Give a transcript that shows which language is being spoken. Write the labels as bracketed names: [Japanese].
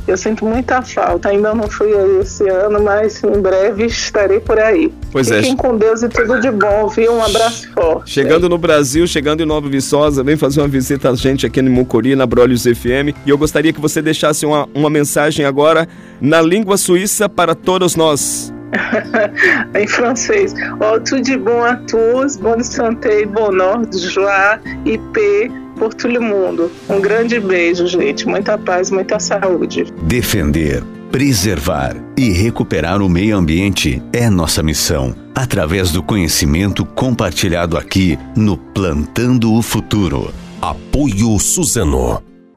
[Portuguese] Eu sinto muita falta. Ainda não fui aí esse ano, mas em breve estarei por aí. Pois é. Fiquem com Deus e tudo de bom, viu? Um abraço forte. Chegando no Brasil, chegando em Nova Viçosa, vem fazer uma visita a gente aqui no Mucuri, na Brolhos FM. E eu gostaria que você deixasse uma mensagem agora na língua suíça para todos nós. Em francês. [French] Oh, tout de bon à tous, bonne santé, bonheur, joie et paix pour tout le monde. [Portuguese] Um grande beijo, gente. Muita paz, muita saúde. Defender, preservar e recuperar o meio ambiente é nossa missão. através do conhecimento compartilhado aqui no Plantando o Futuro. Apoio Suzano.